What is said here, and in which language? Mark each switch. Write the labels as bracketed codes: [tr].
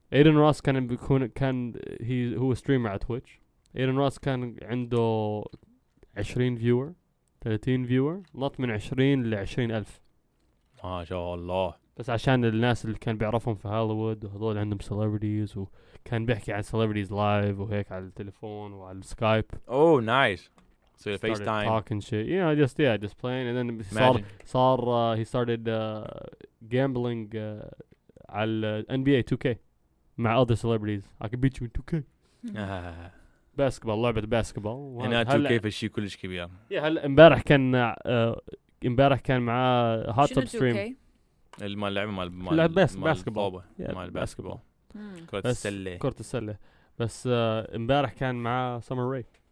[ar] ايدن روس كان بيكون كان هو ستريمر على تويتش ايدن روس كان عنده 20 فيور 30 فيور نط من 20 ل 20 ألف ما شاء الله بس عشان الناس اللي كان بيعرفهم في هوليوود وهذول عندهم سيلبرتيز وكان بيحكي عن سيلبرتيز لايف وهيك على التليفون وعلى السكايب. [en] Oh nice. So the FaceTime talking shit. You know, just yeah, just playing and then he started gambling [ar] على [en] NBA 2K [ar] مع [en] other celebrities. I could beat you in 2K. Basketball, [ar] لعبة [en] Basketball. And now [ar] 2K في شيء كلش كبير. [en] Yeah, [ar] هلا امبارح كان امبارح كان معاه هوت توب ستريم. المال لعبه مال مال لعب باسكتبول مال باسكتبول كره السله كره السله بس امبارح كان معاه سمر راي